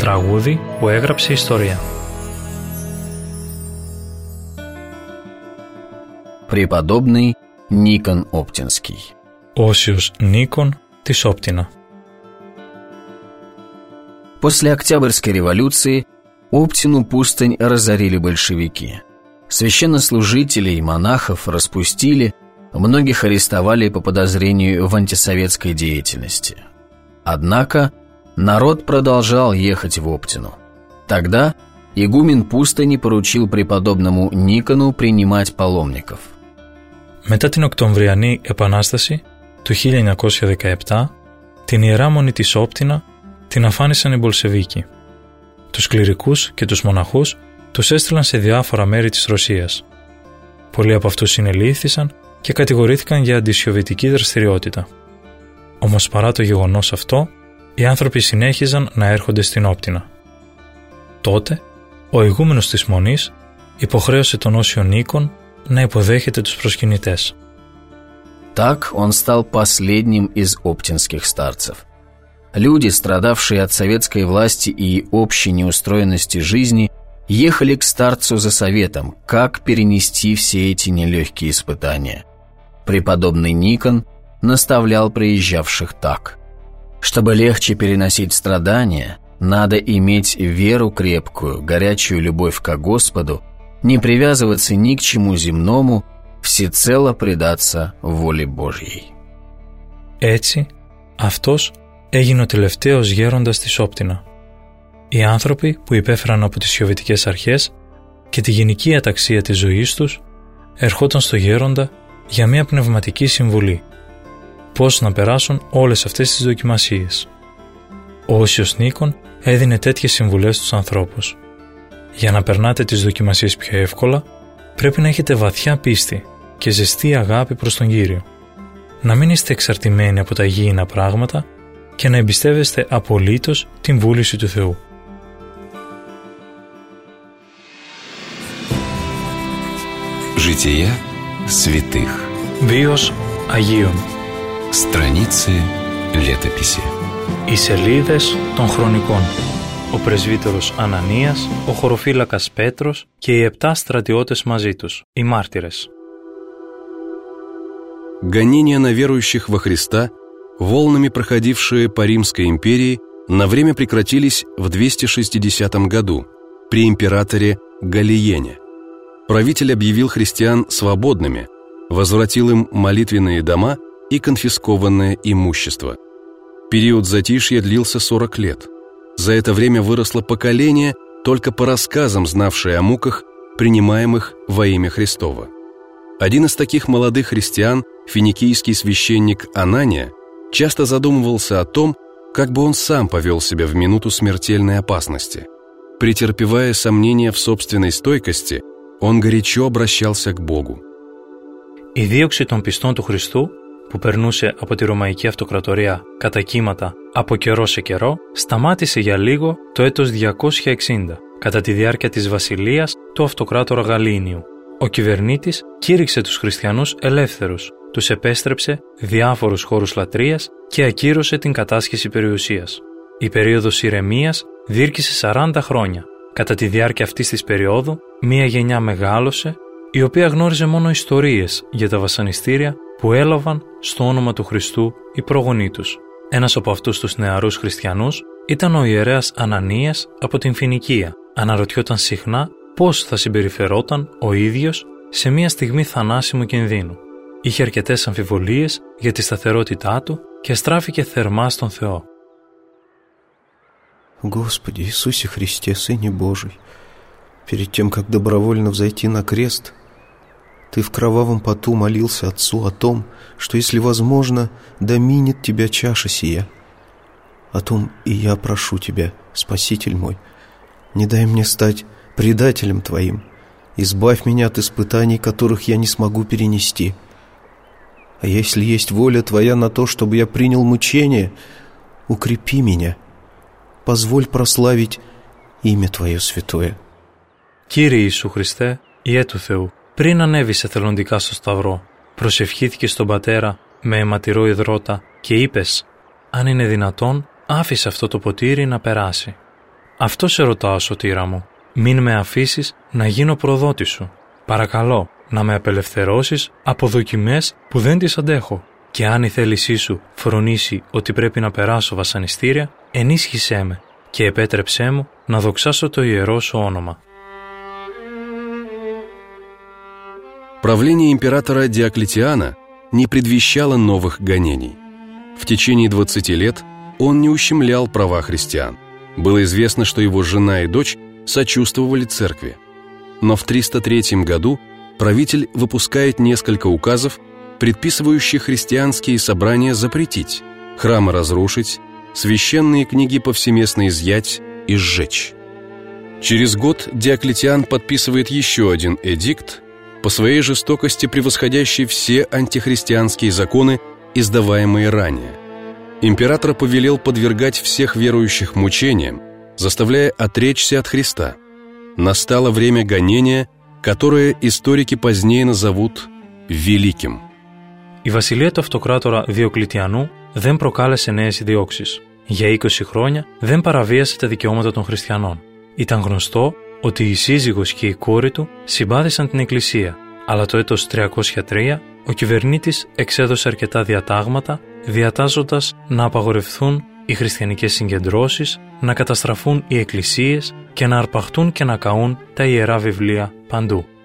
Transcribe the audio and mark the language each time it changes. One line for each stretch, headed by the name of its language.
Greek: Тragudi που έγραψε ιστορία.
Russian: Преподобный Никон Оптинский.
Greek: Осиус Никон της Оптина.
Russian: После Октябрьской революции Оптину пустынь разорили большевики. Священнослужителей и монахов распустили, многих арестовали по подозрению в антисоветской деятельности. Однако народ продолжал ехать в Оптину. Тогда игумен пустыни поручил преподобному Никону принимать паломников.
Greek: Μετά την Οκτωβριανή Επανάσταση του 1917, την Ιερά Μονή της Όπτινα την αφάνισαν οι Μπολσεβίκοι. Τους κληρικούς και τους μοναχούς τους έστειλαν σε διάφορα μέρη της Ρωσίας. Πολλοί από αυτούς συνελήφθησαν και κατηγορήθηκαν για αντισοβιετική δραστηριότητα. Όμως παρά το γεγονός αυτό, οι άνθρωποι συνέχιζαν να έρχονται στην Όπτινα. Τότε, ο ηγούμενος της Μονής υποχρέωσε τον Όσιο Νίκον να υποδέχεται τους προσκυνητές.
Russian: Так он стал последним из оптинских старцев. Люди, страдавшие от советской власти и общей неустроенности жизни, ехали к старцу за советом, как перенести все эти нелегкие испытания. Преподобный Никон наставлял приезжавших так: чтобы легче переносить страдания, надо иметь веру крепкую, горячую любовь ко Господу, не привязываться ни к чему земному, всецело предаться воле Божьей.
Greek: Έτσι, αυτός έγινε ο τελευταίος γέροντας της Όπτινα. Οι άνθρωποι που υπέφεραν από τις σιωβητικές αρχές και τη γενική αταξία της ζωής τους ερχόταν στο γέροντα για μια πνευματική συμβουλή. Πώς να περάσουν όλες αυτές τις δοκιμασίες. Ο Όσιος Νίκον έδινε τέτοιες συμβουλές στους ανθρώπους. Για να περνάτε τις δοκιμασίες πιο εύκολα, πρέπει να έχετε βαθιά πίστη και ζεστή αγάπη προς τον Κύριο. Να μην είστε εξαρτημένοι από τα υγιεινά πράγματα, και να εμπιστεύεστε απολύτως την βούληση του Θεού.
Russian: Жития святых.
Greek: Βίος Αγίων.
Russian: Страницы летописи.
Greek: Οι σελίδες των χρονικών. Ο πρεσβύτερος Ανανίας, ο χωροφύλακας Πέτρος και οι 7 στρατιώτες μαζί τους, οι μάρτυρες.
Russian: Гонения на верующих во Христа, волнами проходившие по Римской империи, на время прекратились в 260 году при императоре Галиене. Правитель объявил христиан свободными, возвратил им молитвенные дома и конфискованное имущество. Период затишья длился 40 лет. За это время выросло поколение, только по рассказам знавшее о муках, принимаемых во имя Христова. Один из таких молодых христиан, финикийский священник Анания, часто задумывался о том, как бы он сам повел себя в минуту смертельной опасности. Претерпевая сомнения в собственной стойкости, он горячо обращался к Богу.
Greek: «И διώξη των пистών του Χριστού, που περνούσε από τη Ρωμαϊκή Αυτοκρατορία κατά κύματα από καιρό σε καιρό, σταμάτησε για λίγο το έτος 260, κατά τη διάρκεια της βασιλείας του αυτοκράτορα Γαλλίνιου. Ο κυβερνήτης κήρυξε τους χριστιανούς ελεύθερους, τους επέστρεψε διάφορους χώρους λατρείας και ακύρωσε την κατάσχεση περιουσίας. Η περίοδος ηρεμίας διήρκησε 40 χρόνια. Κατά τη διάρκεια αυτής της περίοδου, μία γενιά μεγάλωσε, η οποία γνώριζε μόνο ιστορίες για τα βασανιστήρια που έλαβαν στο όνομα του Χριστού οι προγονείς τους. Ένας από αυτούς τους νεαρούς χριστιανούς ήταν ο ιερέας Ανανίας από την Φινικία. Αναρωτιόταν συχνά πώς θα συμπεριφερόταν ο ίδιος σε μια στιγμή θανάσιμου κινδύνου. Είχε αρκετές αμφιβολίες για τη σταθερότητά του και στράφηκε θερμά στον Θεό.
Russian: Господи Иисусе Христе, Сыне Божий, перед тем, как добровольно взойти на крест, Ты в кровавом поту молился Отцу о том, что, если возможно, доминет Тебя чаша сия. О том и я прошу Тебя, Спаситель мой, не дай мне стать предателем Твоим, избавь меня от испытаний, которых я не смогу перенести. А если есть воля Твоя на то, чтобы я принял мучение, укрепи меня, позволь прославить имя Твое святое.
Greek: Кире Иисус Христе, Ие ту Θεού, πριν ανέβεις εθελοντικά στο Σταυρό, προσευχήθηκες στον Πατέρα με αιματηρό υδρότα και είπες «Αν είναι δυνατόν, άφησε αυτό το ποτήρι να περάσει». Αυτό σε ρωτάω, Σωτήρα μου. Μην με αφήσεις να γίνω προδότη σου. Παρακαλώ να με απελευθερώσεις από δοκιμές που δεν τις αντέχω. Και αν η θέλησή σου φρονήσει ότι πρέπει να περάσω βασανιστήρια, ενίσχυσέ με και επέτρεψέ μου να δοξάσω το ιερό σου όνομα.
Russian: Правление императора Диоклетиана не предвещало новых гонений. В течение 20 лет он не ущемлял права христиан. Было известно, что его жена и дочь сочувствовали церкви. Но в 303 году правитель выпускает несколько указов, предписывающих христианские собрания запретить, храмы разрушить, священные книги повсеместно изъять и сжечь. Через год Диоклетиан подписывает еще один эдикт, по своей жестокости превосходящие все антихристианские законы, издаваемые ранее. Император повелел подвергать всех верующих мучениям, заставляя отречься от Христа. Настало время гонения, которое историки позднее назовут «великим».
Greek: Η βασιλεία του αυτοκράτορα Διοκλητιανού δεν προκάλεσε νέες διώξεις. Για 20 χρόνια δεν παραβίασε τα δικαιώματα των χριστιανών. Ήταν γνωστό ότι η σύζυγος και η κόρη του συμπάθησαν την Εκκλησία, αλλά το έτος 303 ο κυβερνήτης εξέδωσε αρκετά διατάγματα, διατάζοντας να απαγορευθούν οι χριστιανικές συγκεντρώσεις, να καταστραφούν οι εκκλησίες και να αρπαχτούν και να καούν τα ιερά βιβλία παντού.